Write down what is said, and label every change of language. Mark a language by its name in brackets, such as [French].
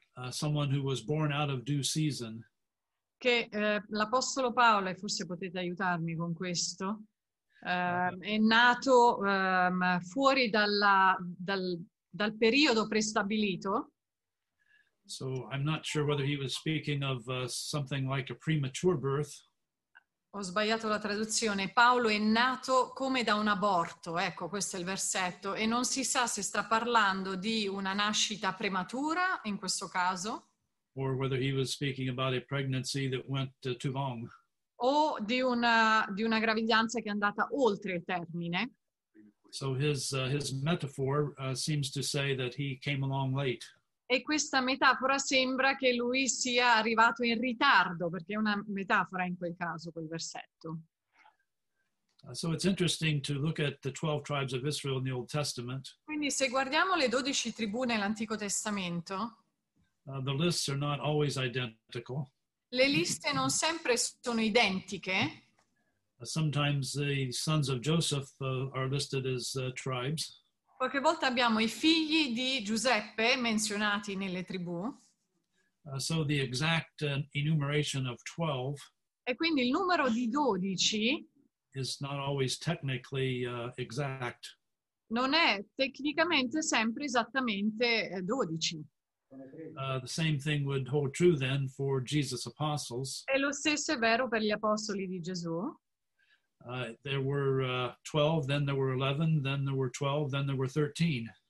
[English] Someone who was born out of due season. [Italian] Che l'Apostolo Paolo, e forse potete aiutarmi con questo, è nato fuori dal periodo prestabilito. [English] So I'm not sure whether he was speaking of something like a premature birth. [Italian] Ho sbagliato la traduzione. Paolo è nato come da un aborto. Ecco, questo è il versetto. E non si sa se sta parlando di una nascita prematura, in questo caso. [English] Or whether he was speaking about a pregnancy that went too long. [Italian] O di una gravidanza che è andata oltre il termine. [English] So his metaphor seems to say that he came along late. [Italian] E questa metafora sembra che lui sia arrivato in ritardo, perché è una metafora in quel caso, quel versetto. [English] So it's interesting to look at the 12 tribes of Israel in the Old Testament. [Italian] Quindi se guardiamo le 12 tribù nell'Antico Testamento, [English] the lists are not always identical. [Italian] Le liste non sempre sono identiche. [English] Sometimes the sons of Joseph are listed as tribes. [Italian] Qualche volta abbiamo i figli di Giuseppe menzionati nelle tribù. [English] So the exact enumeration of 12. [Italian] E quindi il numero di 12 [English] is not always technically exact. [Italian] Non è tecnicamente sempre esattamente 12. [English] The same thing would hold true then for Jesus' apostles. [Italian] E lo stesso è vero per gli apostoli di Gesù. [English] There were 12, then there were 11, then there were 12, then there were 13.